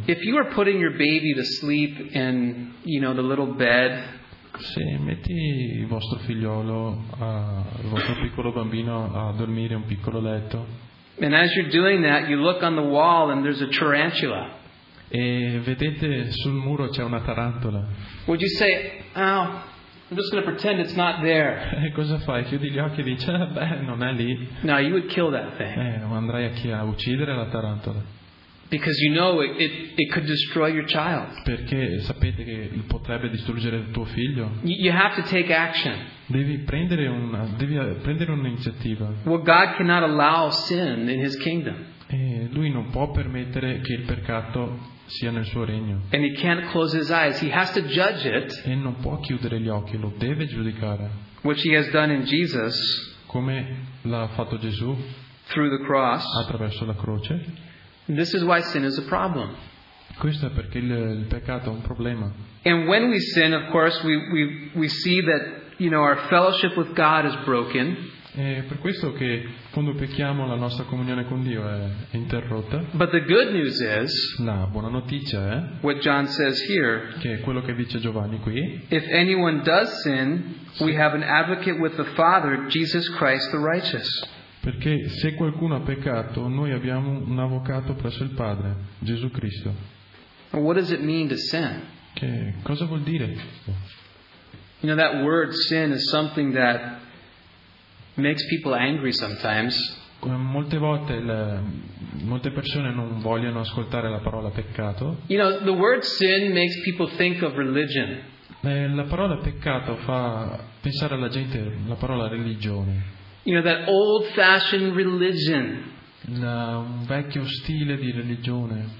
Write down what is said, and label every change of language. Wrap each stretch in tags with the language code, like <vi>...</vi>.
<en>If you are putting your baby to sleep in, you know, the little bed.</en> <it>Se metti il vostro figliolo, il vostro piccolo bambino a dormire in un piccolo letto.</it> <en>And as you're doing that, you look on the wall and there's a tarantula.</en> <it>E vedete sul muro c'è una tarantola.</it> <en>Would you say, oh, I'm just going to pretend it's not there.</en> <it>E cosa fai? Chiudi gli occhi e dici, beh, non è lì.</it> <en>No, you would kill that thing.</en> <it>Andrai a uccidere la tarantola.</it> <en>Because you know it could destroy your child.</en> <it>Perché sapete che potrebbe distruggere il tuo figlio.</it> <en>You have to take action.</en> <it>Devi prendere un'iniziativa.</it> <en>Well, God cannot allow sin in His kingdom.</en> <it>E lui non può permettere che il peccato sia nel suo regno.</it> <en>And he can't close his eyes. He has to judge it.</en> <it>E non può chiudere gli occhi, lo deve giudicare.</it> <en>Which he has done in Jesus.</en> <it>Come l'ha fatto Gesù.</it> <en>Through the cross.</en> <it>Attraverso la croce.</it> <en>This is why sin is a problem.</en> <it>Questo è perché il peccato è un problema.</it> <en>And when we sin, of course, we see that, you know, our fellowship with God is broken.</en> <it>È per questo che quando pecchiamo la nostra comunione con Dio è interrotta.</it> <en>But the good news is,</en> <it>la buona notizia è,</it> <en>what John says here,</en> <it>che è quello che dice Giovanni qui,</it> <en>if anyone does sin, sì, we have an advocate with the Father, Jesus Christ the righteous.</en> <it>Perché se qualcuno ha peccato, noi abbiamo un avvocato presso il Padre, Gesù Cristo.</it> <en>What does it mean to sin?</en> <it>Che cosa vuol dire?</it> <en>You know, that word sin is something that makes people angry sometimes.</en> <it>Molte volte molte persone non vogliono ascoltare la parola peccato.</it> <en>You know, the word sin makes people think of religion.</en> <it>La parola peccato fa pensare alla gente la parola religione.</it> <en>You know, that old-fashioned religion.</en> <it>Un vecchio stile di religione.</it>